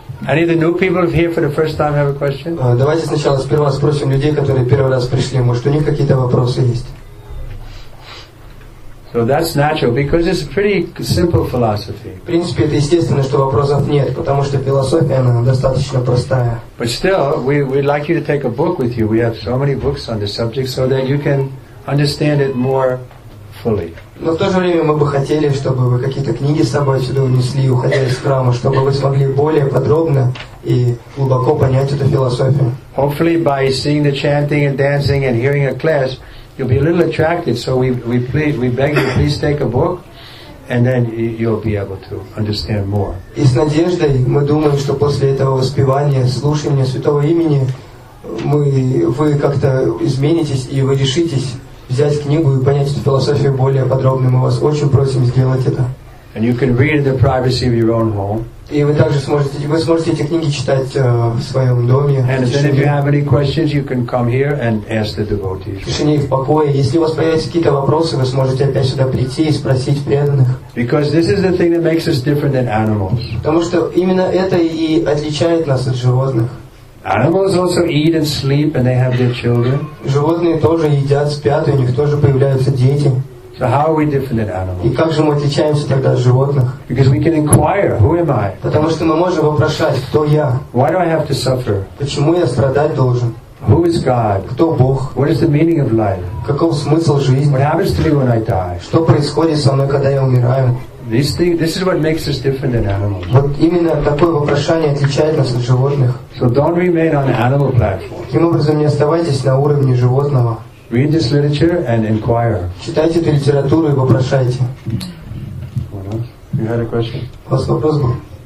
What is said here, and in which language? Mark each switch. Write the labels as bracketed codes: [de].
[en] Any of the new people here for the first time have a question? [ru] Давайте сначала сперва спросим людей, которые первый раз пришли. Может, у них какие-то вопросы есть? [en] So that's natural because it's a pretty simple philosophy. [ru] В принципе, это естественно, что вопросов нет, потому что философия она достаточно простая. [en] But still, we'd like you to take a book with you. We have so many books on the subject so that you can understand it more fully. [ru] Но в то же время мы бы хотели, чтобы вы какие-то книги с собой сюда унесли, уходя из храма, чтобы вы смогли более подробно и глубоко понять эту философию. [en] Hopefully by seeing the chanting and dancing and hearing a class, you'll be a little attracted, so we beg you, please take a book, and then you'll be able to understand more. [ru] И с надеждой мы думаем, что после этого воспевания, слушания святого имени, вы как-то изменитесь, и вы решитесь взять книгу и понять эту философию более подробно. Мы вас очень просим сделать это. [en] And you can read in the privacy of your own home. [ru] И вы также сможете, эти книги читать в своем доме. [en] And if you have any questions, you can come here and ask the devotees. [ru] В тишине и в покое. Если у вас появятся какие-то вопросы, вы сможете опять сюда прийти и спросить преданных. [en] Because this is the thing that makes us different than animals. [ru] Потому что именно это и отличает нас от животных. [en] Animals also eat and sleep, and they have their children. [ru] Животные тоже едят, спят, и у них тоже появляются дети. [en] So how are we different than animals? [ru] И как же мы отличаемся тогда от животных? [en] Because we can inquire, who am I? [ru] Потому что мы можем вопрошать, кто я? [en] Why do I have to suffer? [ru] Почему я страдать должен? [en] Who is God? [ru] Кто Бог? [en] What is the meaning of life? [ru] Каков смысл жизни? [en] What happens to me when I die? [ru] Что происходит со мной, когда я умираю? [en] This is what makes us different than animals. [ru] Вот именно такое вопрошание отличает нас от животных. [en] So don't remain on the animal platform. [ru] Таким образом, не оставайтесь на уровне животного. [en] Read this literature and inquire. [ru] Читайте эту литературу и вопрошайте. [en] What else? You had a question? [ru] У вас вопрос был?